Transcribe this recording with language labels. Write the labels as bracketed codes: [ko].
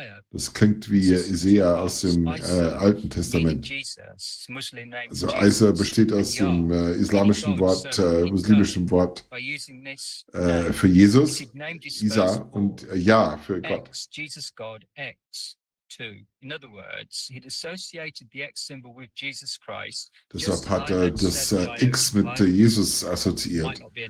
[de] Das klingt wie Isaiah aus dem Alten Testament. Also Isaiah besteht aus dem muslimischen Wort für Jesus, Isa, und Ja für Gott. [en] Jesus God X. In other words, he'd associated the X symbol with Jesus Christ. [de] Deshalb hat er das X mit Jesus assoziiert.